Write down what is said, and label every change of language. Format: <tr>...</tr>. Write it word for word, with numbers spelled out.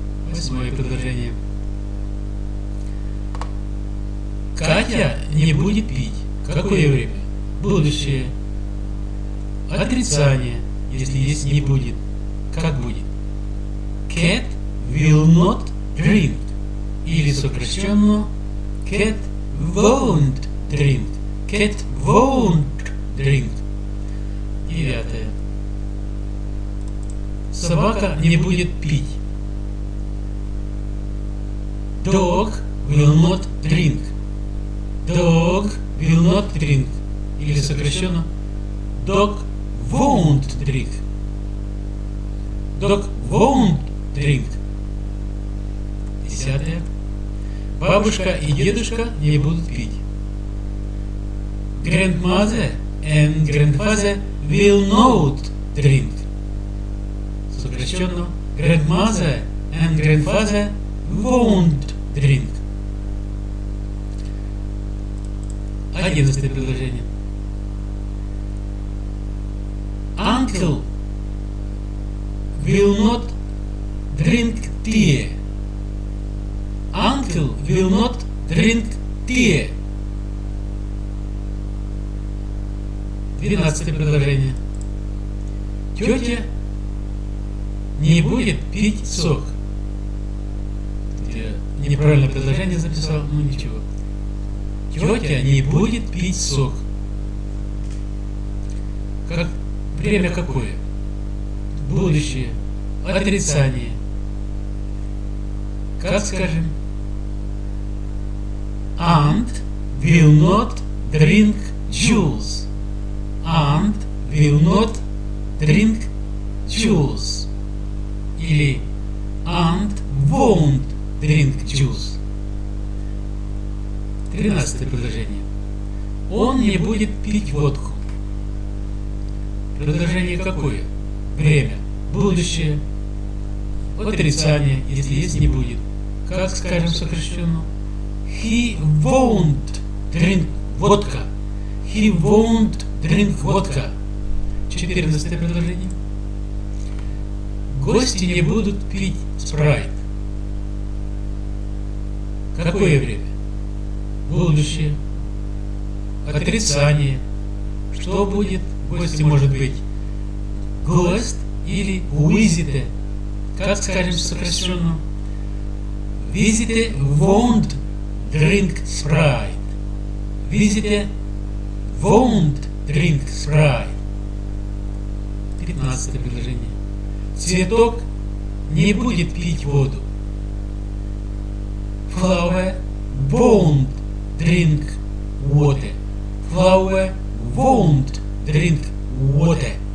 <ru>Восьмое предложение. Катя не будет пить. Какое время? Будущее. Отрицание, если есть не будет. Как будет?</ru> <en>Cat will not drink.</en> <ru>Или сокращенно</ru> <en>Cat won't drink. Cat won't drink.</en> <ru>Девятое. Собака не будет пить.</ru> <en>Dog will not drink. Dog will not drink.</en> <ru>Или сокращенно</ru> <en>Dog won't drink. Dog won't drink.</en> <ru>Десятое. Бабушка и дедушка не будут пить.</ru> <en>Grandmother and grandfather will not drink.</en> <ru>Сокращенно.</ru> <en>Grandmother and grandfather won't drink.</en> <ru>Одиннадцатое предложение.</ru> <en>Uncle will not drink tea. Uncle will not drink tea.</en> <ru>Двенадцатое предложение. Тетя не будет пить сок. Я неправильное предложение записал, ну ничего. Тетя не будет пить сок. Как, время какое? Будущее. Отрицание. Как скажем?</ru> <en>Aunt will not drink juice. Aunt will not drink juice. Или aunt won't drink juice.</en> <ru>Тринадцатое предложение. Он не будет пить водку. Предложение какое? Время. Будущее. Отрицание, если есть не будет. Как скажем сокращенно?</ru> <en>He won't drink vodka. He won't drink vodka.</en> <ru>Четырнадцатое предложение. Гости не будут пить спрайт. Какое время? Будущее. Отрицание. Что будет? Гости может быть гост или визите. Как скажем сокращенно?</ru> <en>Визите won't drink Sprite. Визите won't drink Sprite.</en> <ru>Пятнадцатое предложение. Цветок не будет пить воду.</ru> <en>Flower won't drink water. Flower won't drink water.</en>